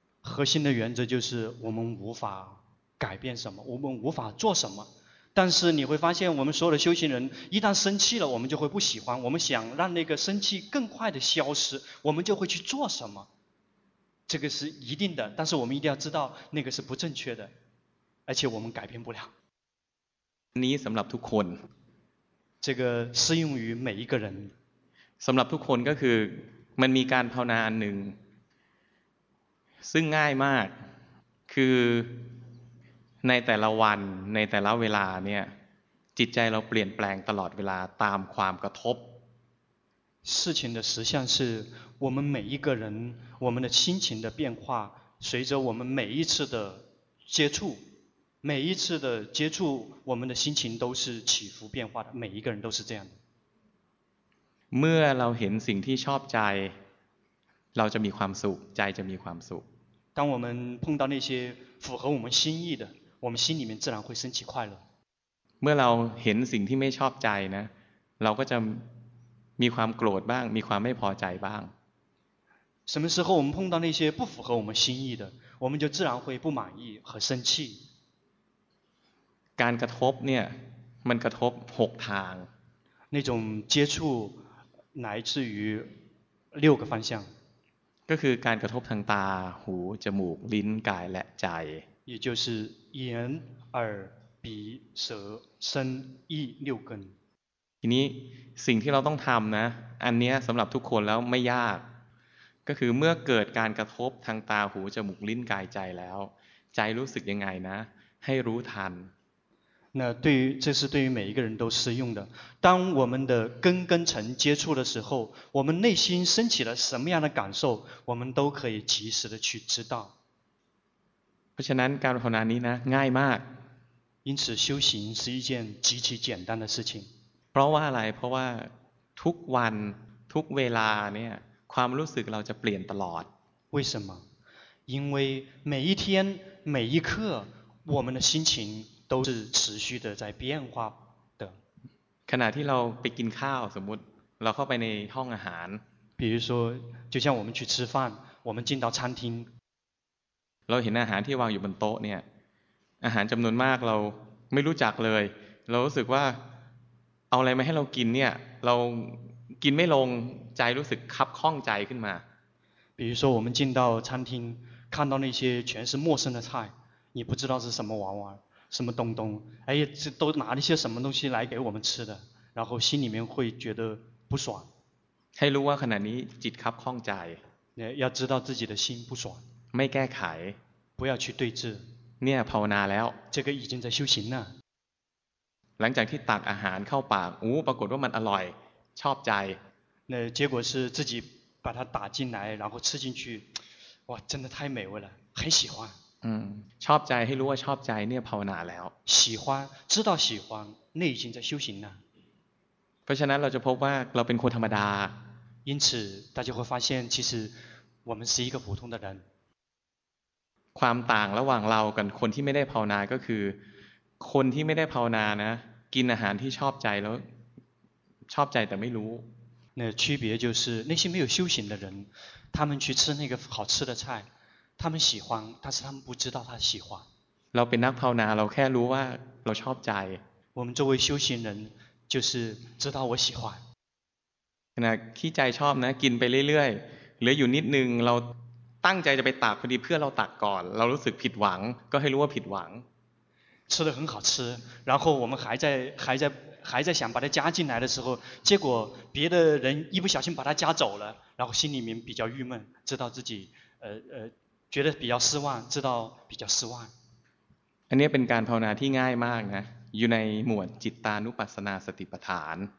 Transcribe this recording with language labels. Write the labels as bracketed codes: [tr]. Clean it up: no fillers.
[zh] 核心的原则就是我们无法改变什么我们无法做什么但是你会发现我们所有的修行人一旦生气了我们就会不喜欢我们想让那个生气更快的消失我们就会去做什么这个是一定的但是我们一定要知道那个是不正确的而且我们改变不了 [th] นี้สำหรับทุกคน [zh] 这个适用于每一个人 [th] สำหรับทุกคนก็คือมันมีการภาวนาอันหนึ่งซึ่งง่ายมากคือในแต่ละวันในแต่ละเวลาเนี่ยจิตใจเราเปลี่ยนแปลงตลอดเวลาตามความกระทบ [zh] 事情的实相是我们每一个人我们的心情的变化随着我们每一次的接触每一次的接触我们的心情都是起伏变化的每一个人都是这样的 [th] เมื่อเราเห็นสิ่งที่ชอบใจเราจะมีความสุขใจจะมีความสุข [zh] 当我们碰到那些符合我们心意的我们心里面自然会升起快乐 [th] เมื่อเราเห็นสิ่งที่ไม่ชอบใจนะเราก็จะมีความโกรธบ้างมีความไม่พอใจบ้าง [zh] 什么时候我们碰到那些不符合我们心意的我们就自然会不满意和生气 [th] การกระทบเนี่ย มันกระทบ6ทาง [zh] 那种接触来自于6个方向 [th] ก็คือการกระทบทางตาหูจมูกลิ้นกายและใจ [zh] 也就是眼耳鼻舌身意六根 [th] ทีนี้สิ่งที่เราต้องทำนะอันนี้สำหรับทุกคนแล้วไม่ยากก็คือเมื่อเกิดการกระทบทางตาหูจมูกลิ้นกายใจแล้วใจรู้สึกยังไงนะให้รู้ทัน [zh] 那对于这是对于每一个人都适用的。当我们的根跟尘接触的时候，我们内心升起了什么样的感受，我们都可以及时的去知道。 [th] เพราะฉะนั้นการภาวนานี้นะง่ายมาก。 [zh] 因此修行是一件极其简单的事情。 [th] เพราะว่าอะไรเพราะว่าทุกวันทุกเวลาเนี่ยความรู้สึกเราจะเปลี่ยนตลอด。 [zh] 为什么？因为每一天每一刻我们的心情。都是持续的在变化的。 [th] ขณะที่เราไปกินข้าวสมมติเราเข้าไปในห้องอาหาร [zh] 比如说就像我们去吃饭我们进到餐厅 [th] เราเห็นอาหารที่วางอยู่บนโต๊ะเนี่ยอาหารจำนวนมากเราไม่รู้จักเลยเรารู้สึกว่าเอาอะไรมาให้เรากินเนี่ยเรากินไม่ลงใจรู้สึกคับข้องใจขึ้นมา [zh] 比如说我们进到餐厅看到那些全是陌生的菜你不知道是什么玩玩什么东东？哎呀，这都拿了些什么东西来给我们吃的？然后心里面会觉得不爽。 [th] ให้รู้ว่าขณะนี้จิตคับข้องใจ。 [zh] 要知道自己的心不爽。 [th] ไม่แก้ไข。 [zh] 不要去对治。 [th] เนี่ยภาวนาแล้ว。 [zh] 这个已经在修行了。 [th] หลังจากที่ตักอาหารเข้าปากอู้ปรากฏว่ามันอร่อยชอบใจ。 [zh] 那结果是自己把它打进来，然后吃进去，哇，真的太美味了，很喜欢。 [th] ชอบใจให้รู้ว่าชอบใจเนี่ยภาวนาแล้ว [zh] 喜欢知道喜欢那已经在修行了 [th] เพราะฉะนั้นเราจะพบว่าเราเป็นคนธรรมดา [zh] 因此大家会发现其实我们是一个普通的人 [th] ความต่างระหว่างเรากับคนที่ไม่ได้ภาวนาก็คือคนที่ไม่ได้ภาวนานะกินอาหารที่ชอบใจแล้วชอบใจแต่ไม่รู้ [zh] 那区别就是那些没有修行的人他们去吃那个好吃的菜他们喜欢但是他们不知道他喜欢 [th] เราเป็นนักภาวนาเราแค่รู้ว่าเราชอบใจ [zh] 我们作为修行人就是知道我喜欢 [th] ขณะขี้ใจชอบนะกินไปเรื่อยๆเหลืออยู่นิดนึงเราตั้งใจจะไปตักพอดีเพื่อเราตักก่อนเรารู้สึกผิดหวังก็ให้รู้ว่าผิดหวัง [zh] 吃得很好吃然后我们还在想把它加进来的时候结果别的人一不小心把它加走了然后心里面比较郁闷知道自己觉得比较失望知道比较失望 [th] อันนี้เป็นการภาวนาที่ง่ายมากนะอยู่ในหมวดจิตตานุปัสสนาสติปัฏฐาน